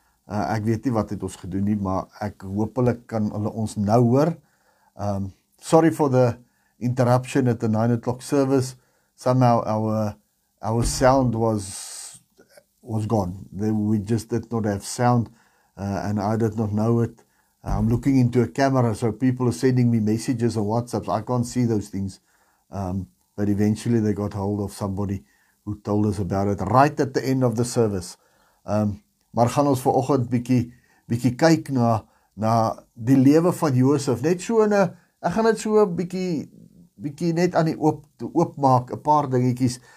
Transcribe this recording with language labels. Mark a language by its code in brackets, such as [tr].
[af] Ek weet nie wat het ons gedoen nie, maar ek hoop hulle kan hulle ons nou hoor. [en] Sorry for the interruption at the 9 o'clock service. Somehow our sound was gone. We just did not have sound and I did not know it. I'm looking into a camera, so people are sending me messages on WhatsApp. I can't see those things. But eventually they got hold of somebody who told us about it right at the end of the service. [af] Maar gaan ons vanoggend bietjie kyk na die lewe van Josef. Net so in 'n ek gaan dit so bietjie net aan die oop maak 'n paar dingetjies.